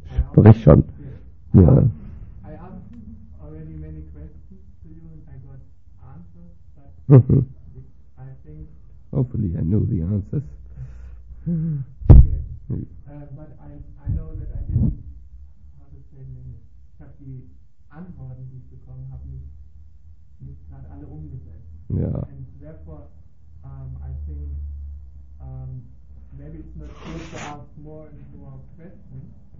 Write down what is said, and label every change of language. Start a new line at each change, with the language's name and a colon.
English: Question. Yeah. I asked already many questions to you and I got answers, but I think hopefully I know the answers. But I know that I didn't have the same name.
German: Ich habe die Antworten, die ich bekommen habe, nicht gerade alle umgesetzt.
English: Yeah. And therefore I think maybe it's not good to ask more and more questions.